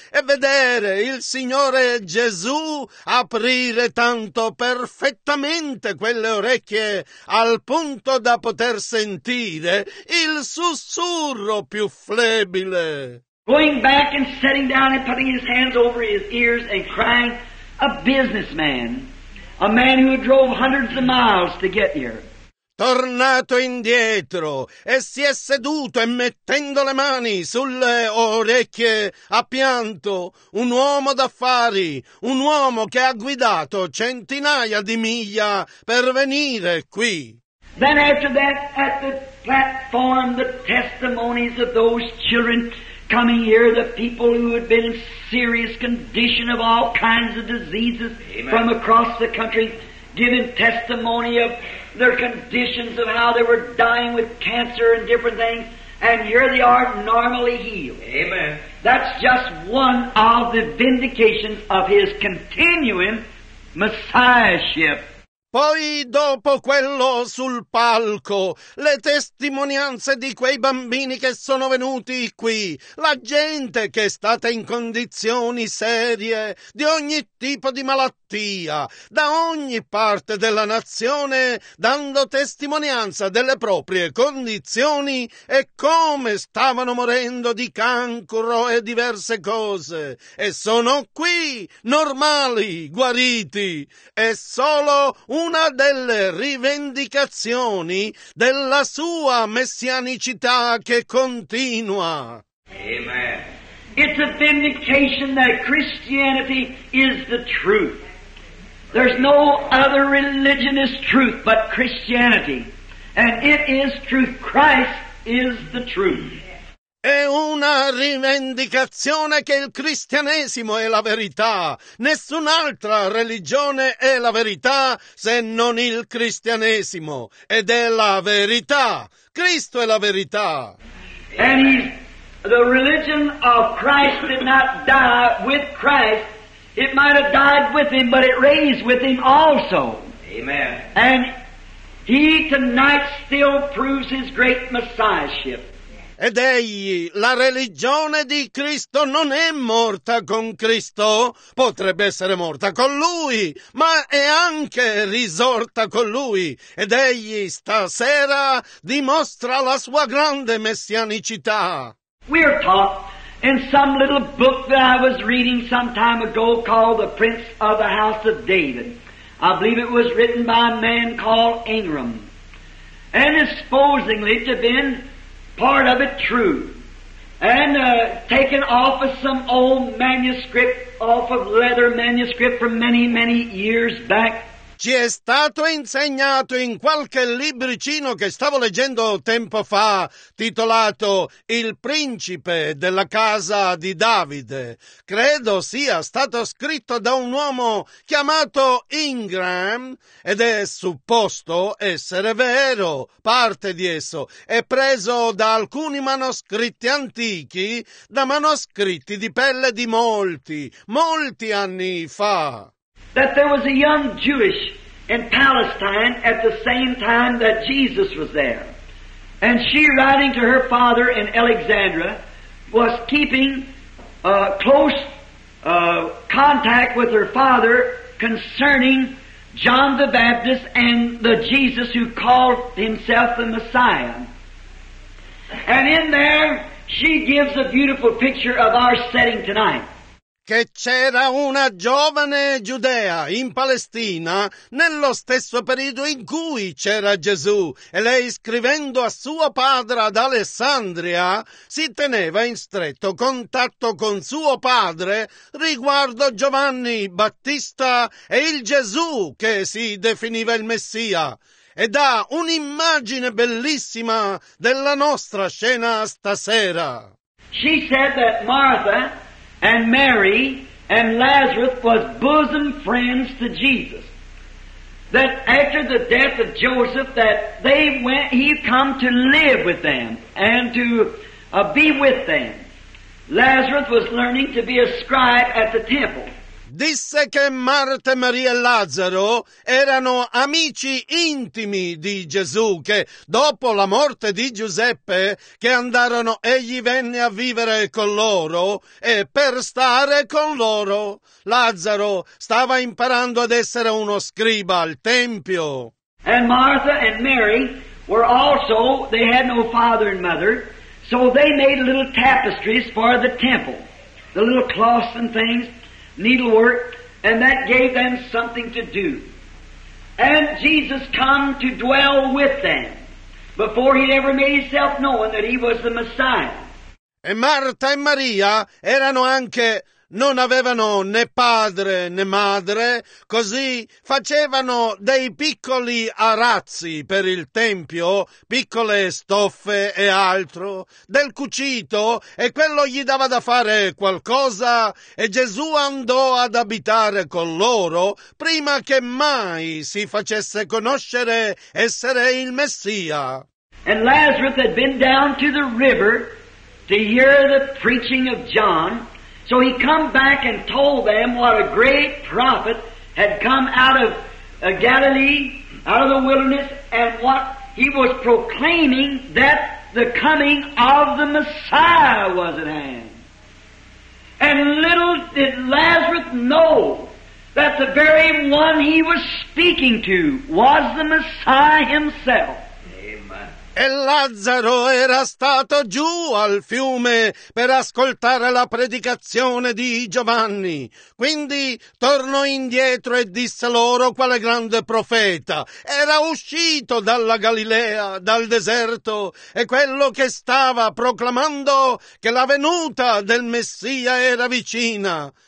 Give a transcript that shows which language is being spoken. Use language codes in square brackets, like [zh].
[it] e vedere il Signore Gesù aprire tanto perfettamente quelle orecchie al punto da poter sentire il sussurro più flebile. [en] Going back and sitting down and putting his hands over his ears and crying, a businessman, a man who drove hundreds of miles to get here. [it] Tornato indietro e si è seduto e mettendo le mani sulle orecchie ha pianto, un uomo d'affari, un uomo che ha guidato centinaia di miglia per venire qui. [en] Then after that, at the platform, the testimonies of those children coming here, the people who had been in serious condition of all kinds of diseases. Amen. From across the country, giving testimony of their conditions of how they were dying with cancer and different things, and here they are normally healed. Amen. That's just one of the vindications of his continuing messiahship. [it] Poi dopo quello sul palco, le testimonianze di quei bambini che sono venuti qui, la gente che è stata in condizioni serie, di ogni tipo di malattia, da ogni parte della nazione, dando testimonianza delle proprie condizioni e come stavano morendo di cancro e diverse cose. E sono qui, normali, guariti. È solo una delle rivendicazioni della sua messianicità che continua. Amen. [en] It's a vindication that Christianity is the truth. There's no other religion is truth but Christianity. And it is truth. Christ is the truth. [it] È una rivendicazione che il cristianesimo è la verità. Nessun'altra religione è la verità se non il cristianesimo. Ed è la verità. Cristo è la verità. [en] And the religion of Christ did not die with Christ. It might have died with him, but it raised with him also. Amen. And he tonight still proves his great messiahship. [it] Ed egli, la religione di Cristo non è morta con Cristo, potrebbe essere morta con Lui, ma è anche risorta con Lui. Ed egli stasera dimostra la sua grande messianicità. [en] We are taught in some little book that I was reading some time ago called The Prince of the House of David. I believe it was written by a man called Ingram. And is supposedly to have been part of it true, and taken off of some old manuscript, off of leather manuscript from many, many years back. [it] Ci è stato insegnato in qualche libricino che stavo leggendo tempo fa, titolato Il principe della casa di Davide. Credo sia stato scritto da un uomo chiamato Ingram ed è supposto essere vero, parte di esso. È preso da alcuni manoscritti antichi, da manoscritti di pelle di molti, molti anni fa. [en] That there was a young Jewish in Palestine at the same time that Jesus was there. And she, writing to her father in Alexandria, was keeping close contact with her father concerning John the Baptist and the Jesus who called himself the Messiah. And in there, she gives a beautiful picture of our setting tonight. [it] Che c'era una giovane giudea in Palestina nello stesso periodo in cui c'era Gesù e lei scrivendo a suo padre ad Alessandria si teneva in stretto contatto con suo padre riguardo Giovanni Battista e il Gesù che si definiva il Messia e dà un'immagine bellissima della nostra scena stasera. [en] She said that Martha and Mary and Lazarus was bosom friends to Jesus. That after the death of Joseph, that they went, he come to live with them and to be with them. Lazarus was learning to be a scribe at the temple. [it] Disse che Marta, Maria e Lazzaro erano amici intimi di Gesù, che dopo la morte di Giuseppe, che andarono, egli venne a vivere con loro e per stare con loro. Lazzaro stava imparando ad essere uno scriba al Tempio. [en] And Martha and Mary were also, they had no father and mother, So they made little tapestries for the temple, the little cloths and things, needlework, and that gave them something to do. And Jesus come to dwell with them before he'd ever made himself known that he was the Messiah. [it] E Marta e Maria erano anche, non avevano né padre né madre, così facevano dei piccoli arazzi per il tempio, piccole stoffe e altro, del cucito, e quello gli dava da fare qualcosa, e Gesù andò ad abitare con loro prima che mai si facesse conoscere essere il Messia. [en] And Lazarus had been down to the river to hear the preaching of John. So he come back and told them what a great prophet had come out of Galilee, out of the wilderness, and what he was proclaiming, that the coming of the Messiah was at hand. And little did Lazarus know that the very one he was speaking to was the Messiah himself. [it] E Lazzaro era stato giù al fiume per ascoltare la predicazione di Giovanni. Quindi tornò indietro e disse loro quale grande profeta era uscito dalla Galilea, dal deserto, e quello che stava proclamando che la venuta del Messia era vicina.